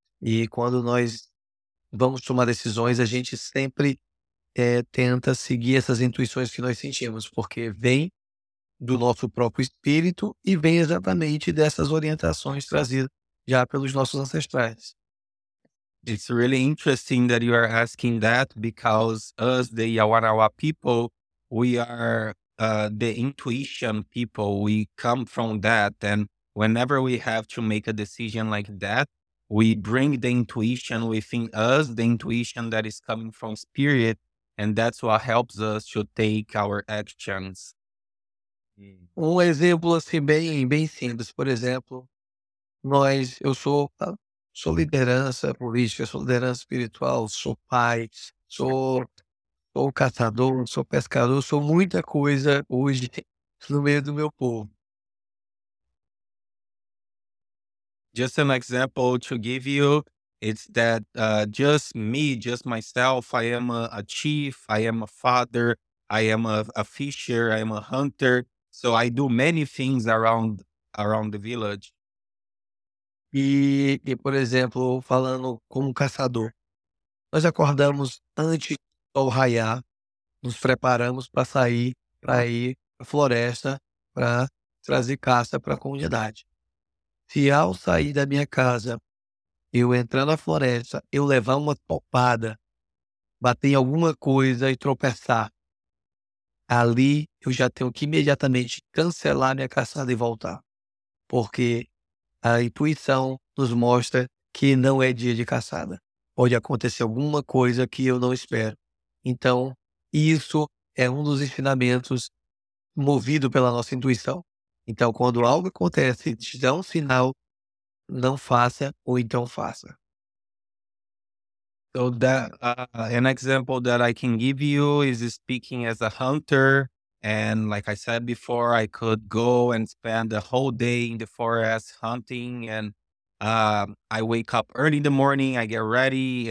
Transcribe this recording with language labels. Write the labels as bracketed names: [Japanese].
[Portuguese] E quando nós vamos tomar decisões, a gente sempre tenta seguir essas intuições que nós sentimos, porque vem do nosso próprio espírito e vem exatamente dessas orientações trazidas já pelos nossos ancestrais. [English] It's really interesting that you are asking that, because us, the Yawanawa people, we are the intuition people. We come from that. And whenever we have to make a decision like that, we bring the intuition within us, the intuition that is coming from spirit, and that's what helps us to take our actions. [Portuguese] Um exemplo assim bem simples, por exemplo, eu sou liderança política, sou liderança espiritual, sou pai, sou caçador, sou pescador, sou muita coisa hoje no meio do meu povo. [English] Just an example to give you, it's that just myself, I am a chief, I am a father, I am a fisher, I am a hunter. So I do many things around the village. [Portuguese] E por exemplo, falando como caçador, nós acordamos antes do sol raiar, nos preparamos para sair, para ir para a floresta, para trazer caça para a comunidade. Se ao sair da minha casa, eu entrar na floresta, eu levar uma topada, bater em alguma coisa e tropeçar, ali eu já tenho que imediatamente cancelar minha caçada e voltar. Porque a intuição nos mostra que não é dia de caçada. Pode acontecer alguma coisa que eu não espero. Então, isso é um dos ensinamentos movido pela nossa intuição. Então, quando algo acontece, te dá um sinal, não faça ou então faça. [English] So that an example that I can give you is speaking as a hunter. And like I said before, I could go and spend the whole day in the forest hunting. And I wake up early in the morning, I get ready.